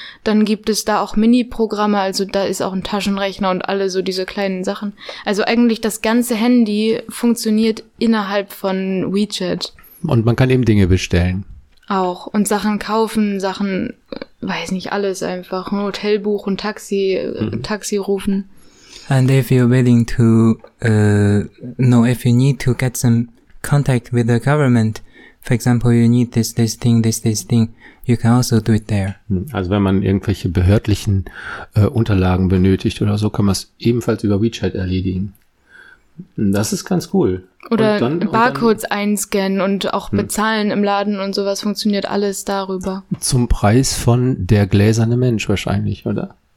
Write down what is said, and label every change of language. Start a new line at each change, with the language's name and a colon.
German: Dann gibt es da auch Mini-Programme, also da ist auch ein Taschenrechner und alle so diese kleinen Sachen. Also eigentlich das ganze Handy funktioniert innerhalb von WeChat. Und man kann eben Dinge bestellen. Auch. Und Sachen kaufen, Sachen, weiß nicht, alles einfach. Ein Hotel buchen, Taxi rufen.
English: And if you're willing to, if you need to get some contact with the government, for example, you need this thing, you can also do it there.
German: Also wenn man irgendwelche behördlichen Unterlagen benötigt oder so, kann man es ebenfalls über WeChat erledigen. Das ist ganz cool. Oder Barcodes einscannen und auch bezahlen im Laden und sowas, funktioniert alles darüber. Zum Preis von der gläserne Mensch wahrscheinlich, oder?